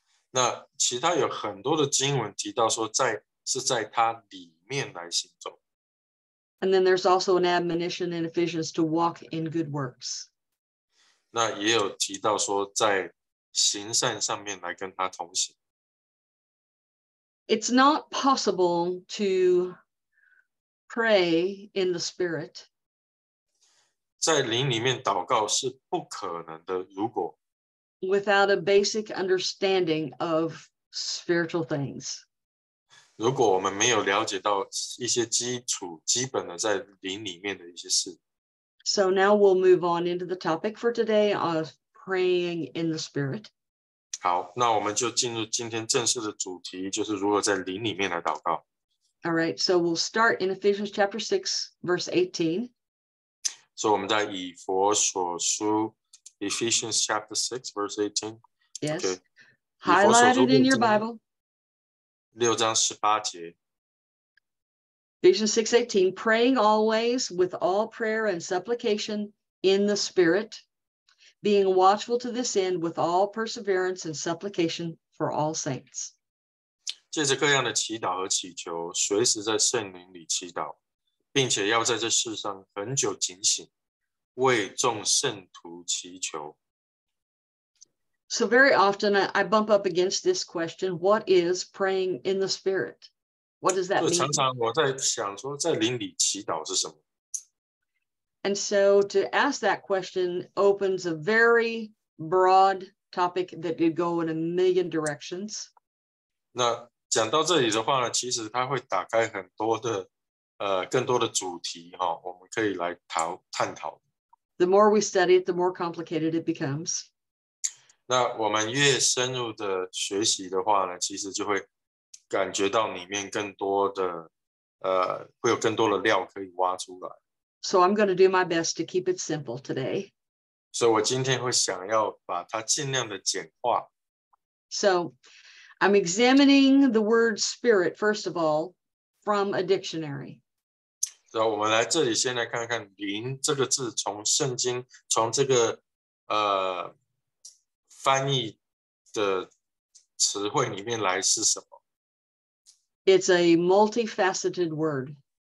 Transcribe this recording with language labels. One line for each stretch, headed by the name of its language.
Chinese: 那其他有很多的经文提到说是在他里面来行走。
English: And then there's also an admonition in Ephesians to walk in good works.
Chinese: 那也有提到说在行善上面来跟他同行。
English: It's not possible to pray in the spirit.
Chinese: 在灵里面祷告是不可能的，如果
English: without a basic understanding of spiritual things.
Chinese: 如果我们没有了解到一些基础基本的在灵里面的一些事。
English: So now we'll move on into the topic for today of praying in the spirit.
Chinese: 好，那我们就进入今天正式的主题，就是如何在灵里面来祷告。
English: All right, so we'll start in Ephesians chapter 6, verse 18. So 我们在以弗所书 Ephesians chapter 6, verse 18. Yes, okay. Highlighted in your Bible.
Chinese: 六章十八节。
English: Ephesians 6:18, praying always with all prayer and supplication in the Spirit, being watchful to this end with all perseverance and supplication for all saints.
Chinese: 借着各样的祈祷和祈求，随时在圣灵里祈祷，并且要在这世上恒久警醒，为众圣徒祈求。
English: So very often I bump up against this question, what is praying in the Spirit? What does that mean?
Chinese: 常常我在想说在灵里祈祷是什么?
English: And so to ask that question opens a very broad topic that could go in a million directions.
Chinese: 那讲到这里的话呢,其实它会打开很多的,更多的主题,我们可以来探讨。
English: The more we study it, the more complicated it becomes.
Chinese: 那我们越深入的学习的话呢,其实就会感觉到里面更多的,会有更多的料可以挖出来。
English: So I'm going to do my best to keep it simple today.
Chinese: 所以我今天会想要把它尽量的简化。
English: So I'm examining the word spirit, first of all, from a dictionary.
Chinese: So 我们来这里先来看看灵这个字从圣经,从这个翻译的词汇里面来是什么?
English: It's a multifaceted word.